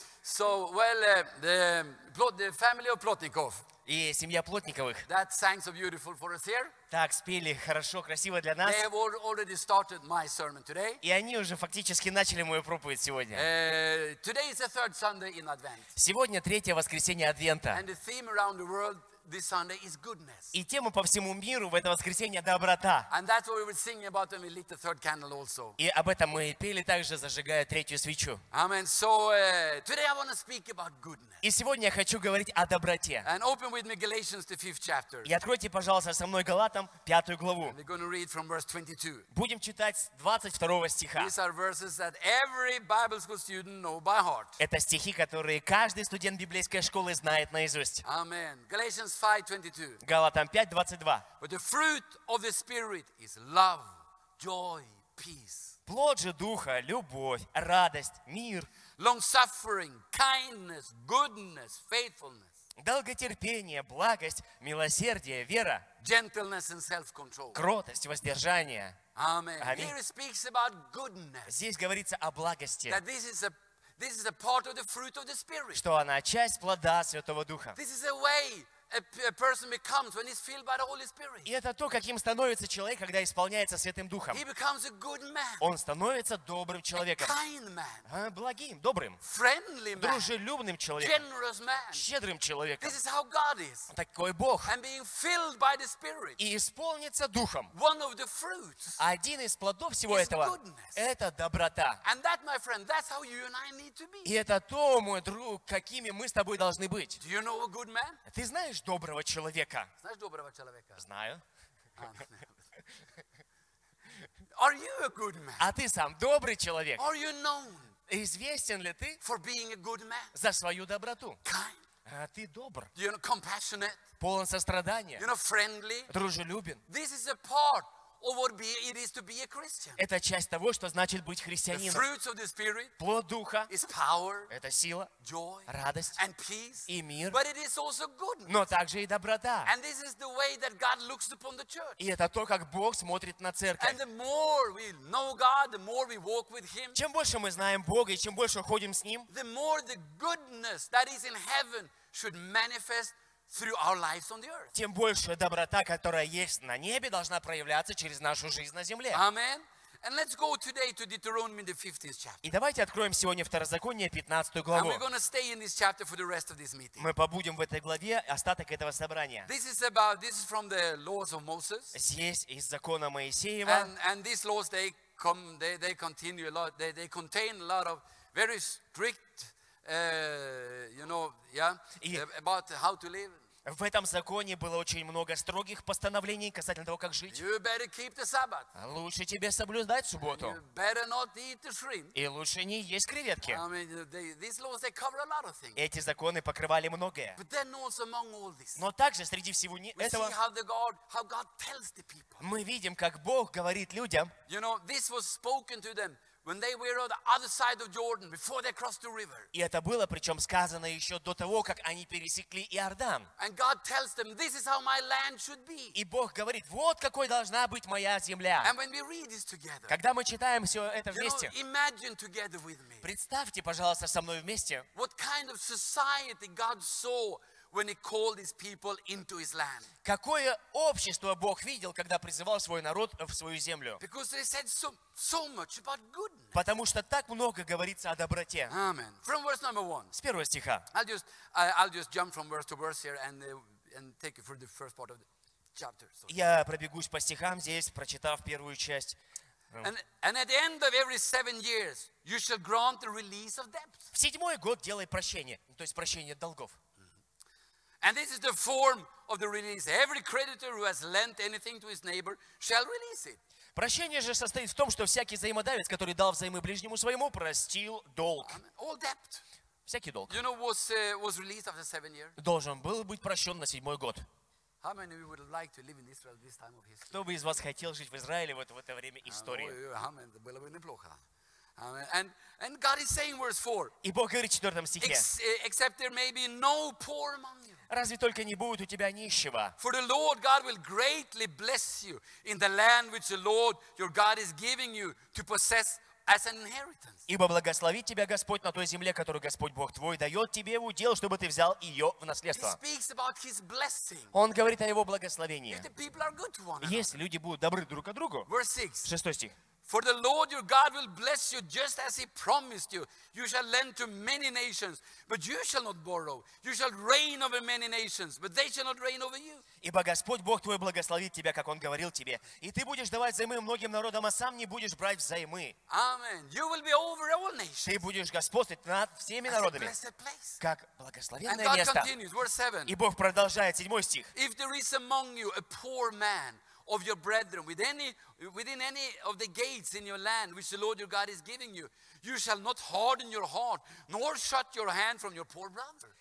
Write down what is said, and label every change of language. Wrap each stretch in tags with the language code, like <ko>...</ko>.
<en>So, well, the family of Plotnikov.</en> <ru>И семья Плотниковых.</ru> <en>That sang so beautiful for us here.</en> <ru>Так, спели хорошо, красиво для нас.</ru> <en>They have already started my sermon today.</en> <ru>И они уже фактически начали мою проповедь сегодня.</ru> <en>Today is the third Sunday in Advent.</en> <ru>Сегодня третье воскресенье Адвента.</ru> <en>And the theme around the world this Sunday is goodness.</en> <ru>И тема по всему миру в это воскресенье — доброта.</ru> <en>And that's what we were singing about when we lit the third candle also.</en> <ru>И об этом мы пели также, зажигая третью свечу.</ru> <en>Amen. So today I want to speak about goodness.</en> <ru>И сегодня я хочу говорить о доброте.</ru> <en>And open with me Galatians the 5th chapter.</en> <ru>И откройте, пожалуйста, со мной Галатам 5 главу.</ru> <en>And we're going to read from verse 22.</en> <ru>Будем читать с 22 стиха.</ru> <en>These are verses that every Bible school student know by heart.</en> <ru>Это стихи, которые каждый студент библейской школы знает наизусть.</ru> <en>Amen. Galatians 5:22.</en> <ru>Галатам 5:22.</ru> <en>But the fruit of the Spirit is love, joy, peace.</en> <ru>Плод же духа — любовь, радость, мир.</ru> <en>Long suffering, kindness, goodness, faithfulness.</en> <ru>Долготерпение, благость, милосердие, вера.</ru> <en>Gentleness and self-control.</en> <ru>Кротость, воздержание.</ru> <en>Amen. Amen. Here it speaks about goodness.</en> <ru>Здесь говорится о благости.</ru> <en>That this is a This is a part of the fruit of the Spirit.</en> <ru>Что она часть плода Святого Духа.</ru> <en>This is a way a person becomes when he's filled by the Holy Spirit.</en> <ru>И это то, каким становится человек, когда исполняется Святым Духом.</ru> <en>He becomes a good man.</en> <ru>Он становится добрым человеком.</ru> <en>A kind man.</en> <ru>Благим, добрым.</ru> <en>Friendly man.</en> <ru>Дружелюбным человеком.</ru> <en>Generous man.</en> <ru>Щедрым человеком.</ru> <en>This is how God is.</en> <ru>Такой Бог.</ru> <en>And being filled by the Spirit.</en> <ru>И исполнится Духом.</ru> <en>One of the fruits.</en> <ru>Один из плодов всего этого.</ru> <en>Is goodness.</en> <ru>Это доброта.</ru> <en>And that, my friend, that's how you and I need to be.</en> <ru>И это то, мой друг, какими мы с тобой должны быть.</ru> <en>Do you know a good man?</en> <ru>Ты знаешь доброго человека? Знаешь доброго человека? Знаю.</ru> <en>Are you a good man?</en> <ru>А ты сам добрый человек?</ru> <en>Are you known?</en> <ru>Известен ли ты?</ru> <en>For being a good man?</en> <ru>За свою доброту?</ru> <en>Kind.</en> <ru>А ты добр?</ru> <en>You know, compassionate?</en> <ru>Полон сострадания?</ru> <en>You know, friendly?</en> <ru>Дружелюбен?</ru> <en>This is a part of what it is to be a Christian.</en> <ru>Это часть того, что значит быть христианином.</ru> <en>The fruits of the Spirit.</en> <ru>Плод Духа.</ru> <en>Is power.</en> <ru>Это сила.</ru> <en>Joy.</en> <ru>Радость.</ru> <en>And peace.</en> <ru>И мир.</ru> <en>But it is also goodness.</en> <ru>Но также и доброта.</ru> <en>And this is the way that God looks upon the church.</en> <ru>И это то, как Бог смотрит на церковь.</ru> <en>And the more we know God, the more we walk with Him.</en> <ru>Чем больше мы знаем Бога и чем больше ходим с Ним,</ru> <en>the more the goodness that is in heaven should manifest through our lives on the earth.</en> <ru>Тем больше доброта, которая есть на небе, должна проявляться через нашу жизнь на земле.</ru> <en>Amen. And let's go today to Deuteronomy the 15th chapter.</en> <ru>И давайте откроем сегодня Второзаконие 15 главу.</ru> <en>And we're going to stay in this chapter for the rest of this meeting.</en> <ru>Мы побудем в этой главе остаток этого собрания.</ru> <en>This is from the laws of Moses.</en> <ru>Здесь из закона Моисеева.</ru> <en>And these laws they continue a lot. They contain a lot of very strict about how to live.</en> <ru>В этом законе было очень много строгих постановлений касательно того, как жить.</ru> <en>You better keep the Sabbath.</en> <ru>Лучше тебе соблюдать субботу.</ru> <en>You better not eat the shrimp.</en> <ru>И лучше не есть креветки.</ru> <en>I mean, these laws, they cover a lot of things.</en> <ru>Эти законы покрывали многое.</ru> <en>But then also among all this,</en> <ru>но также среди всего этого</ru> <en>we see how God tells the people.</en> <ru>Мы видим, как Бог говорит людям.</ru> <en>You know, this was spoken to them when they were on the other side of Jordan before they crossed the river.</en> <ru>И это было, причем сказано еще до того, как они пересекли Иордан.</ru> <en>And God tells them, this is how my land should be.</en> <ru>И Бог говорит, вот какой должна быть моя земля.</ru> <en>And when we read this together,</en> <ru>когда мы читаем все это вместе,</ru> <en>you know, imagine together with me,</en> <ru>представьте, пожалуйста, со мной вместе,</ru> <en>what kind of society God saw when he called his people into his land.</en> <ru>Какое общество Бог видел, когда призывал свой народ в свою землю?</ru> <en>Because they said so much about goodness.</en> <ru>Потому что так много говорится о доброте.</ru> <en>Amen. From verse number one.</en> <ru>С первого стиха.</ru> <en>I'll just jump from verse to verse here and take you through the first part of the chapter. So.</en> <ru>Я пробегусь по стихам здесь, прочитав первую часть.</ru> <en>And at the end of every 7 years, you shall grant the release of debts.</en> <ru>В седьмой год делай прощение, то есть прощение долгов.</ru> <en>And this is the form of the release. Every creditor who has lent anything to his neighbor shall release it.</en> <ru>Прощение же состоит в том, что всякий взаимодавец, который дал взаймы ближнему своему, простил долг.</ru> <en>All debt.</en> <ru>Всякий долг.</ru> <en>You know, was released after 7 years.</en> <ru>Должен был быть прощен на седьмой год.</ru> <en>How many of you would like to live in Israel this time of history?</en> <ru>Кто бы из вас хотел жить в Израиле в это время истории?</ru> <en>Amen.</en> <ru>Было бы неплохо.</ru> <en>And God is saying verse 4.</en> <ru>И Бог говорит в четвертом стихе.</ru> <en>Except there may be no poor among you.</en> <ru>Разве только не будет у тебя нищего?</ru> <en>For the Lord God will greatly bless you in the land which the Lord your God is giving you to possess as an inheritance.</en> <ru>Ибо благословит тебя Господь на той земле, которую Господь Бог твой дает тебе в удел, чтобы ты взял ее в наследство.</ru> <en>He speaks about his blessing.</en> <ru>Он говорит о его благословении.</ru> <en>If the people are good to one another.</en> <ru>Если люди будут добры друг к другу.</ru> <en>Verse 6.</en> <ru>Шестой стих.</ru> <en>For the Lord your God will bless you just as he promised you. You shall lend to many nations, but you shall not borrow. You shall reign over many nations, but they shall not reign over you.</en> <ru>Ибо Господь Бог твой благословит тебя, как он говорил тебе. И ты будешь давать взаймы многим народам, а сам не будешь брать взаймы.</ru> <en>Amen. You will be over all nations.</en> <ru>Ты будешь господствовать над всеми народами.</ru> <en>As a blessed place.</en> <ru>Как благословенное место.</ru> <en>And God continues, verse 7.</en> <ru>И Бог продолжает, седьмой стих.</ru> <en>If there is among you a poor man of your brethren within any of the gates in your land which the Lord your God is giving you, you shall not harden your heart nor shut your hand from your poor brother.</en>